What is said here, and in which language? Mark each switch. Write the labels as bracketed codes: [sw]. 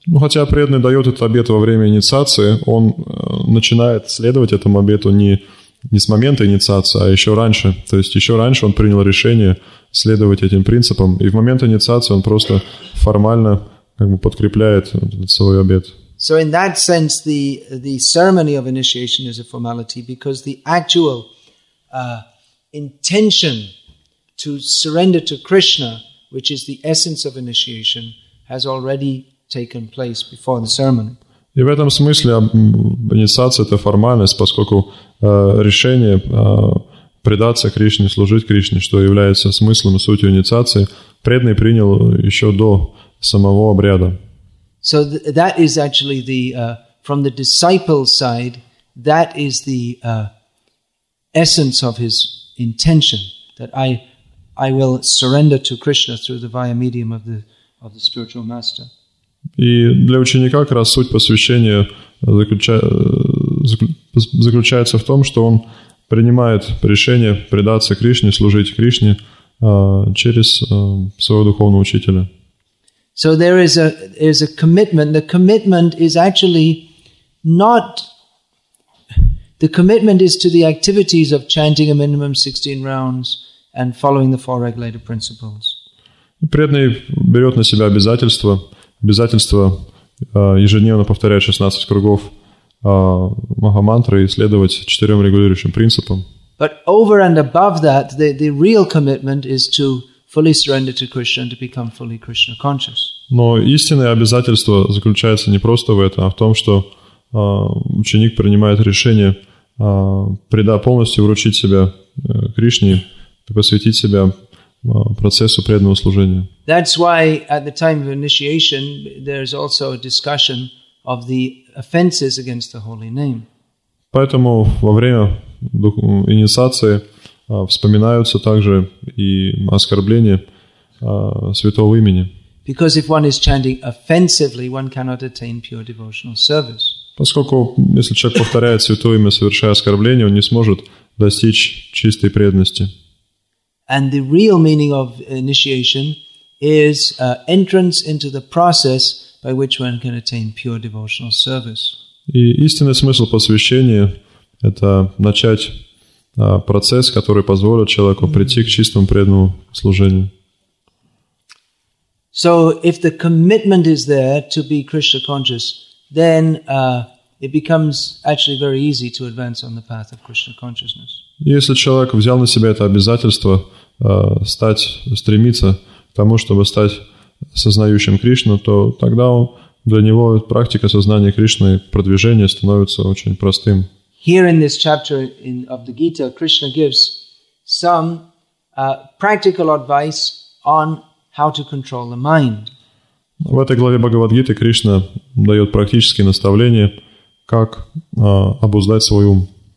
[ru] Ну, хотя преданный дает этот обет во время инициации, он начинает следовать этому обету не с момента инициации, а еще раньше. То есть еще раньше он принял решение следовать этим принципам. И в момент инициации он просто формально как бы подкрепляет свой обет. [en] So in that sense, the ceremony of initiation is a formality because the actual intention to surrender to Krishna, which is the essence of initiation, has already taken place before the ceremony. [ru] И в этом смысле инициация – это формальность, поскольку решение предаться Кришне, служить Кришне, что является смыслом и сутью инициации, преданный принял еще до самого обряда. [en] So that is actually the, from the disciple side, that is the essence of his intention, that I will surrender to Krishna through the via medium of the spiritual master. [ru] И для ученика как раз суть посвящения заключается в том, что он принимает решение предаться Кришне, служить Кришне через своего духовного учителя. [en] So there is a commitment. The commitment is actually not... The commitment is to the activities of chanting a minimum 16 rounds and following the four regulated principles. [ru] Преданный берет на себя обязательство, обязательство ежедневно повторять 16 кругов Махамантры и следовать четырем регулирующим принципам. [en] But over and above that, the real commitment is to fully surrender to Krishna and to become fully Krishna conscious. [ru] Но истинное обязательство заключается не просто в этом, а в том, что ученик принимает решение полностью вручить себя Кришне и посвятить себя процессу преданного служения. [en] That's why at the time of initiation there is also a discussion of the offenses against the holy name. [ru] Поэтому во время инициации вспоминаются также и оскорбления святого имени. [en] Because if one is chanting offensively, one cannot attain pure devotional service. [ru] Поскольку если человек повторяет святое имя, совершая оскорбление, он не сможет достичь чистой преданности. [en] And the real meaning of initiation is entrance into the process by which one can attain pure devotional service. [ru] И истинный смысл посвящения – это начать процесс, который позволит человеку прийти к чистому преданному служению. [en] So if the commitment is there to be Krishna conscious, then it becomes actually very easy to advance on the path of Krishna consciousness. [ru] Если человек взял на себя это обязательство стать, стремиться к тому, чтобы стать сознающим Кришну, то тогда он, для него практика сознания Кришны, продвижение становится очень простым. [en] Here in this chapter in, of the Gita, Krishna gives some practical advice on how to control the mind. [ru] В этой главе Бхагавад-гиты Кришна дает практические наставления, как обуздать свой ум.